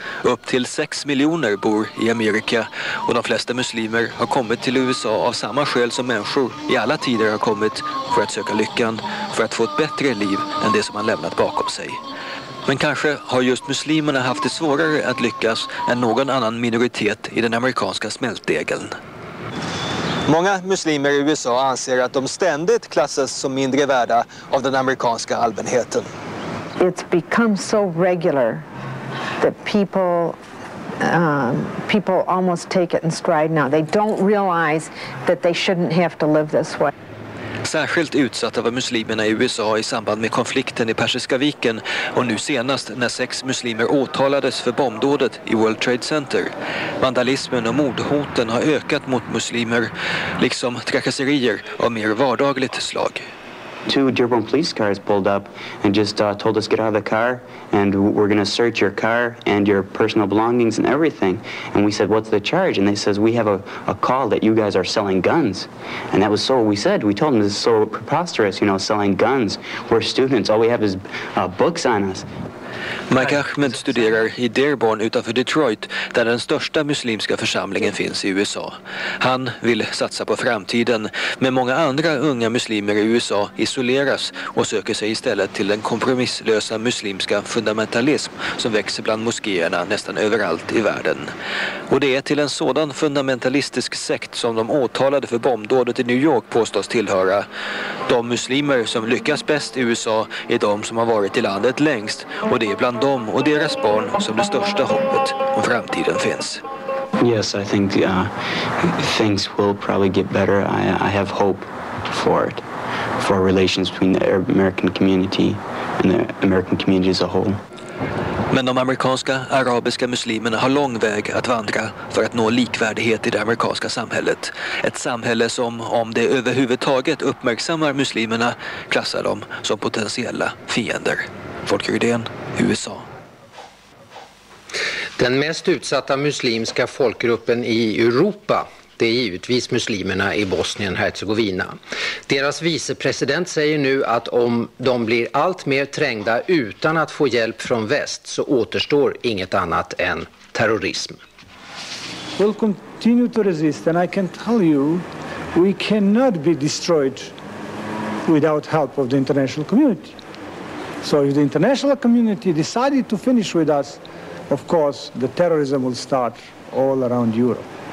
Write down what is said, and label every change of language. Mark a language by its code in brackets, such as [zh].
[sv] Upp till 6 miljoner bor i Amerika och de flesta muslimer har kommit till USA av samma skäl som människor i alla tider har kommit, för att söka lyckan, för att få ett bättre liv än det som man lämnat bakom sig. Men kanske har just muslimerna haft det svårare att lyckas än någon annan minoritet i den amerikanska smältdegeln. Många muslimer i USA anser att de ständigt klassas som mindre värda av den amerikanska allmänheten. [en] It's become so regular that people almost take it in stride now. They don't realize that they shouldn't have to live this way. [sv] Särskilt utsatta var muslimerna i USA i samband med konflikten i Persiska viken och nu senast när 6 muslimer åtalades för bombdådet i World Trade Center. Vandalismen och mordhoten har ökat mot muslimer, liksom trakasserier av mer vardagligt slag. [en] 2 Dearborn police cars pulled up and just told us get out of the car and we're going to search your car and your personal belongings and everything. And we said, what's the charge? And they says, we have a call that you guys are selling guns. And that was so, we said, we told them this is so preposterous, you know, selling guns. We're students. All we have is books on us. [sv] Mike Ahmed studerar i Dearborn utanför Detroit, där den största muslimska församlingen finns i USA. Han vill satsa på framtiden, men många andra unga muslimer i USA isoleras och söker sig istället till den kompromisslösa muslimska fundamentalism som växer bland moskéerna nästan överallt i världen. Och det är till en sådan fundamentalistisk sekt som de åtalade för bombdådet i New York påstås tillhöra. De muslimer som lyckas bäst i USA är de som har varit i landet längst, och det är bland dem och deras barn som det största hoppet om framtiden finns. [en] Yes, I think things will probably get better. I have hope for it, for relations between the American community and the American community as a whole. [sv] Men de amerikanska arabiska muslimerna har lång väg att vandra för att nå likvärdighet i det amerikanska samhället. Ett samhälle som, om det överhuvudtaget uppmärksammar muslimerna, klassar dem som potentiella fiender. Folke Rydén, USA. Den mest utsatta muslimska folkgruppen i Europa, det är givetvis muslimerna i Bosnien-Herzegovina. Deras vicepresident säger nu att om de blir allt mer trängda utan att få hjälp från väst, så återstår inget annat än terrorism. [en] We'll continue to resist, and I can tell you we cannot be destroyed without help of the international community. So if the international community decided to finish with us, of course the terrorism will start all around Europe.